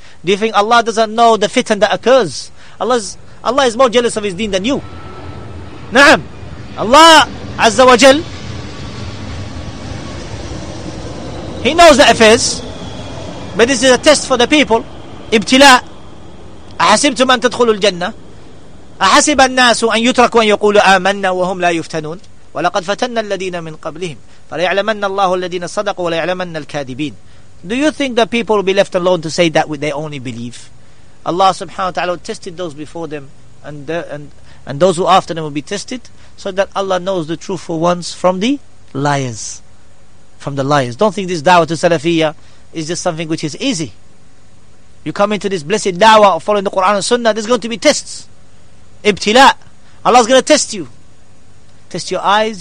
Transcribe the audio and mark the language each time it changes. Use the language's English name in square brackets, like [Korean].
[English] Do you think Allah doesn't know the fitan that occurs? Allah is more jealous of His deen than you. Na'am. Allah Azza wa Jal, He knows the affairs, but this is a test for the people. [Arabic] Ibtila. أَحَسِبْتُمْ أَن تَدْخُلُوا الْجَنَّةِ أَحَسِبَ النَّاسُ أَن يُتْرَكُوا أَن يَقُولُوا آمَنَّا وَهُمْ لَا يُفْتَنُونَ وَلَقَدْ فَتَنَّ الَّذِينَ مِنْ قَبْلِهِمْ فَلَيَعْلَمَنَّ اللَّهُ الَّذِينَ صَدَقُوا وَلَيَعْلَمَنَّ الْكَاذِبِينَ. [English] Do you think that people will be left alone to say that what they only believe? Allah subhanahu wa ta'ala tested those before them and those who after them will be tested, so that Allah knows the truth for once from the liars. From the liars. Don't think this da'wah to Salafiyya is just something which is easy. You come into this blessed da'wah of following the Quran and Sunnah, there's going to be tests. Ibtila. Allah's going to test you. Test your eyes.